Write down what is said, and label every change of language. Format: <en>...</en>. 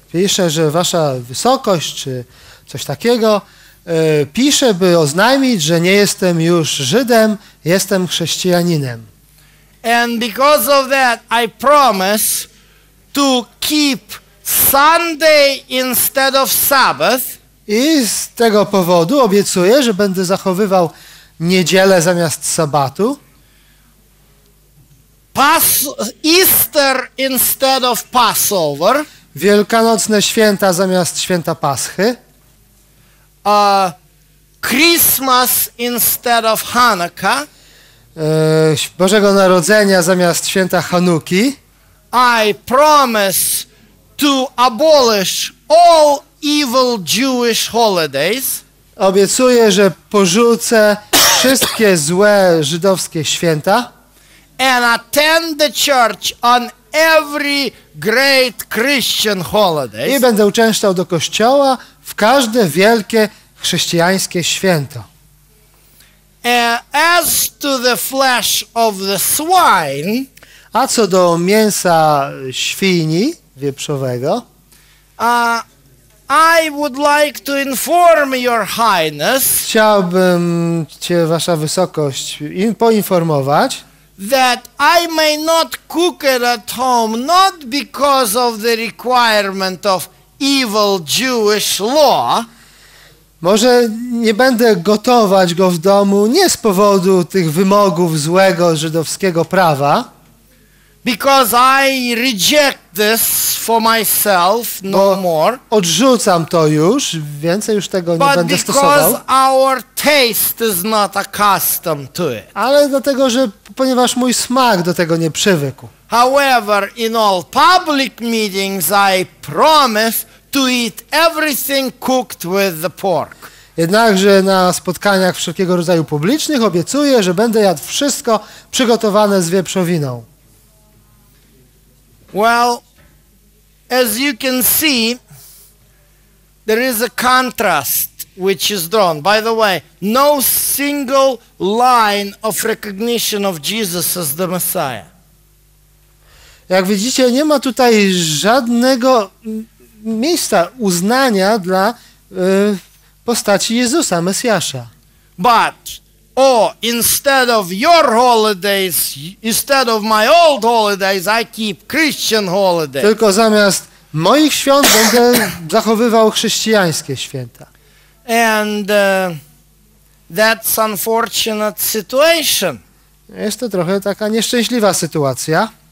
<pl>Pisze, że wasza wysokość, czy coś takiego, pisze, by oznajmić, że nie jestem już Żydem, jestem chrześcijaninem.</pl> <en>And because of that, I promise to keep Sunday instead of Sabbath.</en> <pl>I z tego powodu obiecuję, że będę zachowywał niedzielę zamiast sabatu.</pl> <en>Easter instead of Passover.</en> <pl>Wielkanocne święta zamiast święta Paschy.</pl> <en>Christmas instead of Hanukkah.</en> <pl>Bożego Narodzenia zamiast święta Chanuki.</pl> <en>I promise to abolish all evil Jewish holidays.</en> <pl>Obiecuję, że porzucę wszystkie złe żydowskie święta.</pl> <en>And attend the church on every great Christian holiday.</en> <pl>I będę uczęszczał do kościoła w każde wielkie chrześcijańskie święto.</pl> <en>As to the flesh of the swine,</en> <pl>a co do mięsa świni wieprzowego,</pl> <en>I would like to inform your highness.</en> <pl>Chciałbym cię, wasza wysokość, poinformować,</pl> <en>that I may not cook it at home, not because of the requirement of evil Jewish law.</en> <pl>Może nie będę gotować go w domu nie z powodu tych wymogów złego żydowskiego prawa.</pl> <en>Because I reject this for myself no more.</en> <pl>Odrzucam to już, więcej już tego nie będę stosował.</pl> <en>But because our taste is not accustomed to it.</en> <pl>Ale dlatego, że ponieważ mój smak do tego nie przywykł.</pl> <en>However, in all public meetings I promise to eat everything cooked with the pork.</en> <pl>Jednakże na spotkaniach wszelkiego rodzaju publicznych obiecuję, że będę jadł wszystko przygotowane z wieprzowiną.</pl> <en>Well, as you can see, there is a contrast which is drawn. By the way, no single line of recognition of Jesus as the Messiah.</en> <pl>Jak widzicie, nie ma tutaj żadnego miejsca uznania dla postaci Jezusa, Mesjasza.</pl> <en>But, instead of your holidays, instead of my old holidays, I keep Christian holidays.</en> <pl>Tylko zamiast moich świąt będę zachowywał chrześcijańskie święta.</pl> <en>And that's unfortunate situation.</en> <pl>Jest to trochę taka nieszczęśliwa sytuacja.</pl>